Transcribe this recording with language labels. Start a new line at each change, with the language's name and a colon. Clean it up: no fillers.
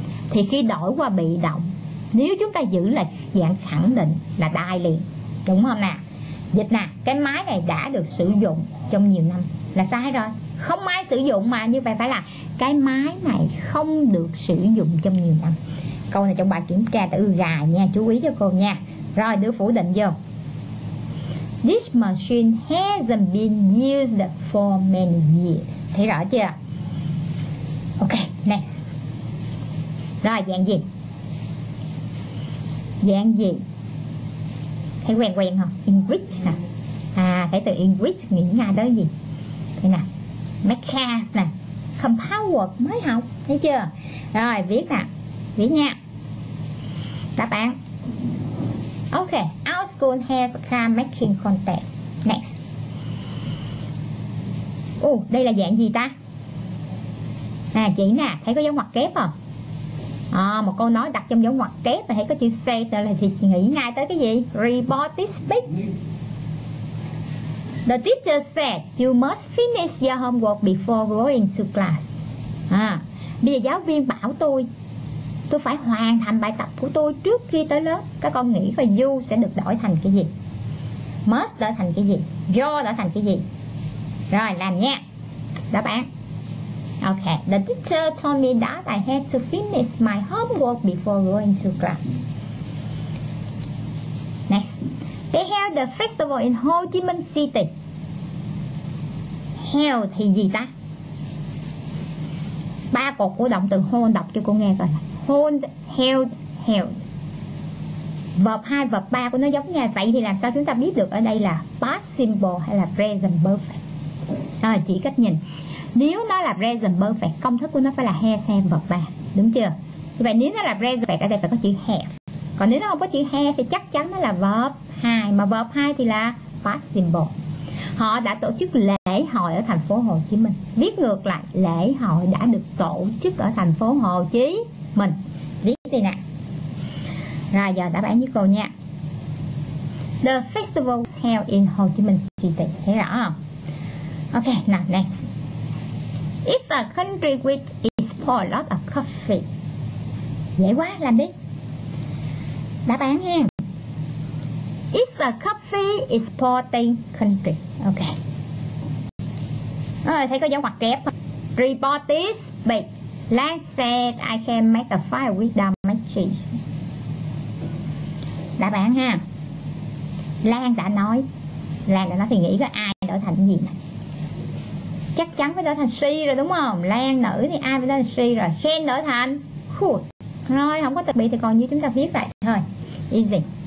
Vietnamese: thì khi đổi qua bị động, nếu chúng ta giữ lại dạng khẳng định là đai liền. Đúng không nè? Dịch nè, cái máy này đã được sử dụng trong nhiều năm. Là sai rồi. Không ai sử dụng mà. Như vậy phải là cái máy này không được sử dụng trong nhiều năm. Câu này trong bài kiểm tra tự gài nha. Chú ý cho cô nha. Rồi, đưa phủ định vô.
English: This machine hasn't been used for many years.
Vietnamese: Thấy rõ chưa? Ok, next. Rồi, dạng gì? Dạng gì? Thấy quen quen không? In which nè. À, thấy từ in which nghĩ ra tới gì? Thấy nè. Mechanics nè. Compound mới học. Thấy chưa? Rồi, viết nè. Viết nha. Đáp án.
English: Ok, our school has a car making contest. Next.
Vietnamese: Ồ, đây là dạng gì ta? Nè, chị nè, thấy có dấu ngoặc kép không? À, một câu nói đặt trong dấu ngoặc kép và thấy có chữ say tên là thì nghĩ ngay tới cái gì?
English: Robotic speech. The teacher said you must finish your homework before going to class.
Vietnamese: À, bây giờ giáo viên bảo tôi phải hoàn thành bài tập của tôi trước khi tới lớp. Các con nghĩ và you sẽ được đổi thành cái gì? Must đổi thành cái gì? Your đổi thành cái gì? Rồi, làm nha. Đáp án. Ok.
English: The teacher told me that I had to finish my homework before going to class. Next. They held the festival in Ho Chi Minh City.
Vietnamese: Held thì gì ta? Ba cột của động từ hold đọc cho cô nghe coi. Hold, held, held. Verb 2, verb 3 của nó giống nhau. Vậy thì làm sao chúng ta biết được ở đây là past simple hay là present perfect? À, chỉ cách nhìn. Nếu nó là present perfect, công thức của nó phải là have, xem vật và, đúng chưa? Như vậy nếu nó là present perfect ở đây phải có chữ have. Còn nếu nó không có chữ have thì chắc chắn nó là verb 2, mà verb 2 thì là past simple. Họ đã tổ chức lễ hội ở thành phố Hồ Chí Minh. Viết ngược lại, lễ hội đã được tổ chức ở thành phố Hồ Chí Minh. Viết đi nè. Rồi giờ đáp án với cô nha.
English: The festival was held in Ho Chi Minh City. Thấy rõ không? Ok, now next. It's a country which exports a lot of coffee.
Vietnamese: Dễ quá, làm đi. Đáp án nha. It's a coffee exporting country. Ok. Rồi, thấy có dấu ngoặc kép không?
English: Report this bit. Lan said I can make a fire with the matches.
Vietnamese: Đáp án ha. Lan đã nói thì nghĩ có ai đổi thành gì này? Chắc chắn phải đổi thành she rồi đúng không? Lan nữ thì ai phải đổi thành she rồi. Can đổi thành could. Rồi, không có từ bị thì còn như chúng ta viết vậy thôi. Easy.